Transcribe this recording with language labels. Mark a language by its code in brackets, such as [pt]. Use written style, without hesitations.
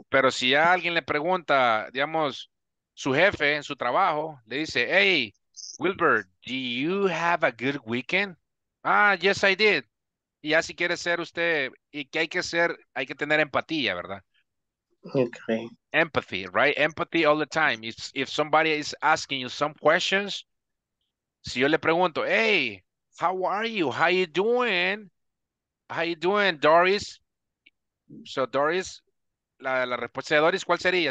[es] Pero si ya alguien le pregunta, digamos, su jefe en su trabajo, le dice, hey, Wilbur, [en] do you have a good weekend? Ah, yes, I did. [es] Y así quiere ser usted, y que hay que ser, hay que tener empatía, ¿verdad? [en] Okay. Empathy, right? Empathy all the time. If somebody is asking you some questions, [es] si yo le pregunto, [en] hey, how are you? How you doing? How you doing, Doris? [es] So Doris, la respuesta de Doris, ¿cuál sería?